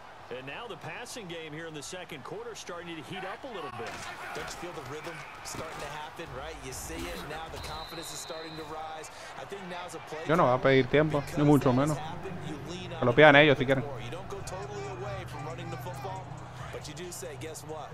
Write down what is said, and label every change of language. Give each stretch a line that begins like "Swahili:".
English: And now the passing game here in the second quarter starting to heat up a little bit. Don't you feel the rhythm starting to happen, right? You see it now, the confidence is starting to rise. I think now's a play.
Spanish: Yo no voy a pedir tiempo, ni mucho menos. Lo pidan ellos si quieren.
English: You don't go totally away from running the football, but you do say, guess what?